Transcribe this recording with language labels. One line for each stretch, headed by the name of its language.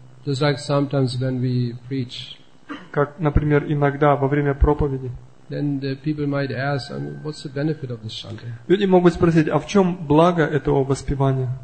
English: Just like sometimes when we preach,
Russian: как, например, иногда во время проповеди.
English: Then the people might ask, I mean, what's the benefit of this chanting?
Russian: Люди могут спросить, а в чем благо этого воспевания?